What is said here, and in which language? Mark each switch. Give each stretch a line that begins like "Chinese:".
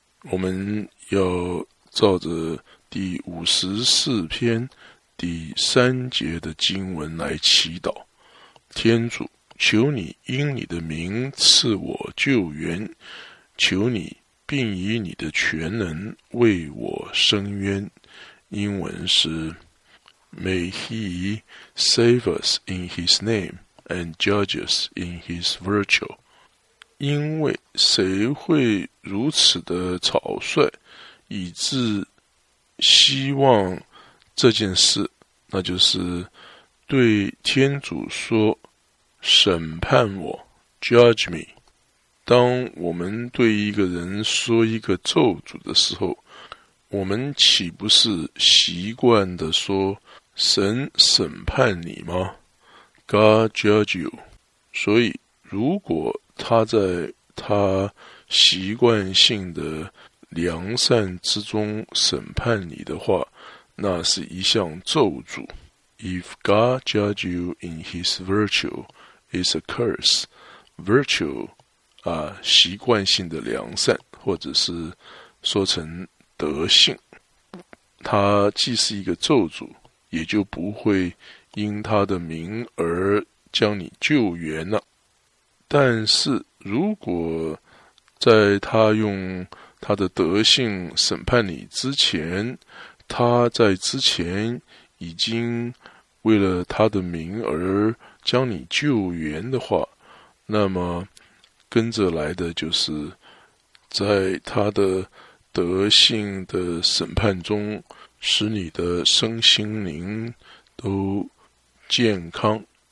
Chinese: 我们要照着第五十四篇第三节的经文来祈祷。天主，求你因你的名赐我救援，求你并以你的全能为我伸冤。英文是
English: May he save us in his name and judge us in his virtue.
Chinese: 因为谁会如此的草率以致希望这件事，那就是对天主说审判我
English: judge me。
Chinese: 当我们对一个人说一个咒诅的时候，我们岂不是习惯地说神审判你吗？
English: God judge you。
Chinese: 所以如果他在他习惯性的良善之中审判你的话，那是一项咒诅。
English: If God judge you in his virtue, it's a curse.
Chinese: Virtue习惯性的良善，或者是说成德性，他既是一个咒诅，也就不会因他的名而将你救援了。但是如果在他用他的德性审判你之前，他在之前已经为了他的名而将你救援的话，那么跟着来的就是在他的德性的审判中使你的身心灵都健康。